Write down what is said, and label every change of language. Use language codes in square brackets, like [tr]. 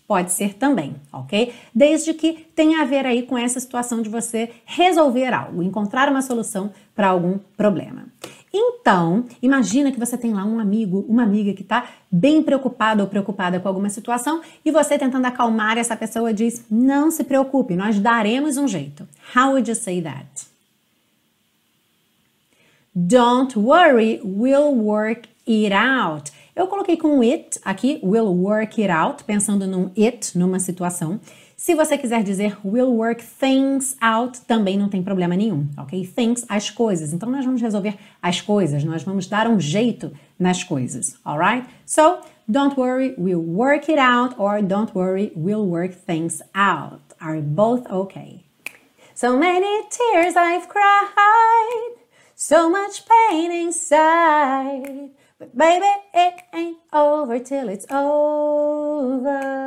[pt] Pode ser também, ok? Desde que tenha a ver aí com essa situação de você resolver algo, encontrar uma solução para algum problema. Então, imagina que você tem lá um amigo, uma amiga que está bem preocupada ou preocupada com alguma situação e você tentando acalmar essa pessoa diz, não se preocupe, nós daremos um jeito. [en] How would you say that? Don't worry, we'll work it out. [pt] Eu coloquei com it aqui, [en] we'll work it out, [pt] pensando num it, numa situação. Se você quiser dizer [en] we'll work things out, [pt] também não tem problema nenhum, ok? Things, as coisas. Então, nós vamos resolver as coisas, nós vamos dar um jeito nas coisas, [en] alright? So, don't worry, we'll work it out, or don't worry, we'll work things out. Are both okay? So many tears I've cried, so much pain inside. But baby, it ain't over till it's over.